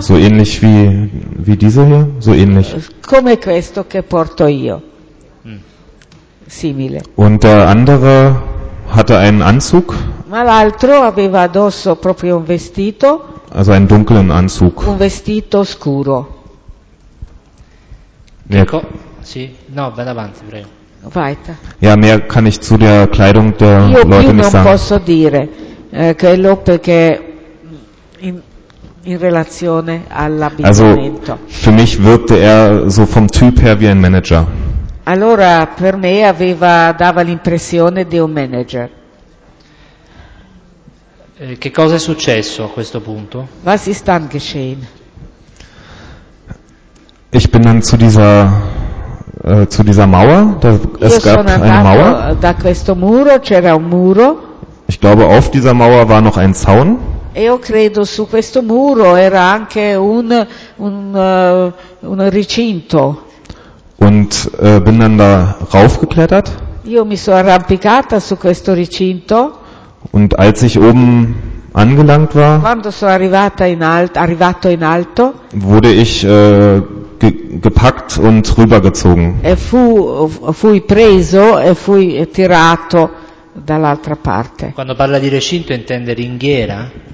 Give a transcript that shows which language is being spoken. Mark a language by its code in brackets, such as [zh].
[de] So ähnlich wie dieser hier, so ähnlich. [it] Come questo che porto io. Simile. [de] Und der andere hatte einen Anzug. [it] Ma l'altro aveva addosso proprio un vestito. [de] Also einen dunklen Anzug. [it] Un vestito scuro. Ecco. Sì. No, ben avanti, prego. [de] Weiter. Ja, mehr kann ich zu der Kleidung der [it] io [de] Leute nicht sagen. [it] Io non posso dire quello perché in relazione all'abbigliamento. [de] Also für mich wirkte er so vom Typ her wie ein Manager. [it] Allora per me dava l'impressione di un manager. Che cosa è successo a questo punto? [de] Was ist dann geschehen? Ich bin dann zu dieser Mauer, es gab eine Mauer. [it] Da questo muro c'era un muro. [de] Ich glaube, auf dieser Mauer war noch ein Zaun. [it] Io credo su questo muro era anche un recinto. [de] Und bin dann da raufgeklettert. [it] Io mi sono arrampicata su questo recinto. [de] Und als ich oben angelangt war, [it] quando sono arrivata in alto, [de] wurde ich gepackt und rübergezogen. [it] Fui preso e fui tirato dall'altra parte. Quando parla di recinto intende ringhiera?